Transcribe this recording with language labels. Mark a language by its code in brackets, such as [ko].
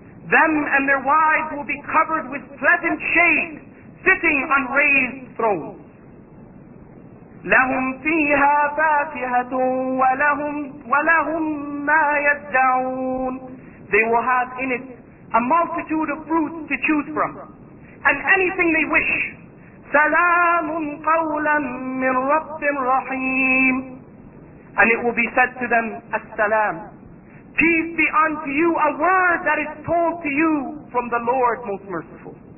[en] Them and their wives will be covered with pleasant shade, sitting on raised thrones. [ar] لهم فيها فاكهة ولهم ما يدعون. [en] They will have in it a multitude of fruits to choose from and anything they wish. [ar] سلام قولا من رب رحيم. [en] And it will be said to them, As-salam. Peace be unto you, a word that is told to you from the Lord Most Merciful.